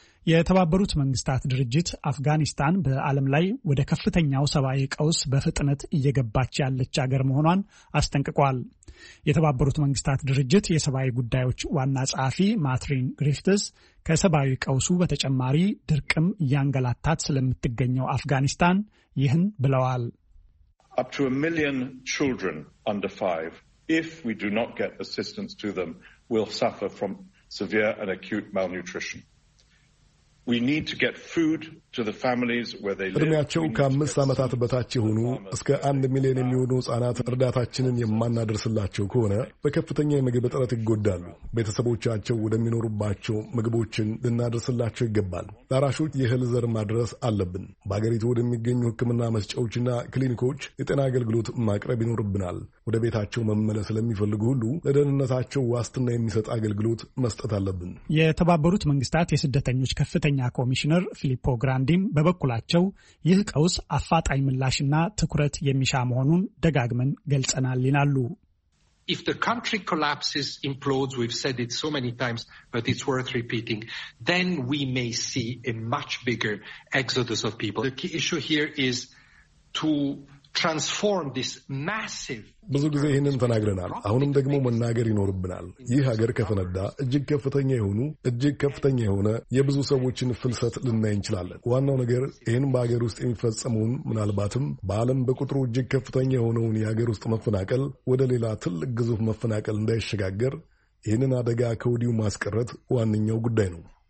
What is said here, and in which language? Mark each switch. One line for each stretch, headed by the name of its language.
Amharic: የተባበሩት መንግስታት ድርጅት አፍጋኒስታን በዓለም ላይ ወደ ከፍተኛው ሰብአዊ ቀውስ በፍጥነት እየገባች ያለች ሀገር መሆኗን አስጠንቅቋል። የተባበሩት መንግስታት ድርጅት የሰብአዊ ጉዳዮች ዋና ጸሐፊ ማትሪን ግሪፍትስ ከሰብአዊ ቀውሱ በተጨማሪ ድርቅም እያንገላታት ስለምትገኘው አፍጋኒስታን ይህን ብለዋል።
English: Up to a million children under 5, if we do not get assistance to them, will suffer from severe and acute malnutrition. We need to get food to the families where they live.
Amharic: እድሜያቸው ከአምስት ዓመታት በታች የሆኑ እስከ 1 ሚሊዮን የሚሆኑ ሕፃናት እርዳታችንን የማናደርስላቸው ከሆነ በከፍተኛ የምግብ እጥረት ይጎዳሉ። ቤተሰቦቻቸው ወደሚኖሩባቸው ምግቦችን ልናደርስላቸው ይገባል። ለራሾች የእህል ዘር ማድረስ አለብን። በአገሪቱ ወደሚገኙ ሕክምና መስጫዎችና ክሊኒኮች የጤና አገልግሎት ማቅረብ ይኖርብናል። ወደ ቤታቸው መመለስ ለሚፈልጉ ሁሉ ለደህንነታቸው ዋስትና የሚሰጥ አገልግሎት መስጠት አለብን። የተባበሩት መንግስታት የስደተኞች ከፍተኛ ኮሚሽነር ፊሊፖ ግራንዲም በበኩላቸው ይህ ቀውስ አፋጣኝ ምላሽና ትኩረት የሚሻ መሆኑን ደጋግመን ገልጸናል ይላሉ።
English: If the country collapses, implodes, we've said it so many times, but it's worth repeating, then we may see a much bigger exodus of people. The key issue here is to transform this massive
Amharic: ብዙ ጊዜ ይህንን ተናግረናል። አሁንም ደግሞ መናገር ይኖርብናል። ይህ ሀገር ከፈነዳ እጅግ ከፍተኛ የሆነ የብዙ ሰዎችን ፍልሰት ልናይ እንችላለን። ዋናው ነገር ይህን በሀገር ውስጥ የሚፈጸመውን ምናልባትም በዓለም በቁጥሩ እጅግ ከፍተኛ የሆነውን የሀገር ውስጥ መፈናቀል ወደ ሌላ ትልቅ ግዙፍ መፈናቀል እንዳይሸጋገር ይህንን አደጋ ከወዲሁ ማስቀረት ዋነኛው ጉዳይ ነው።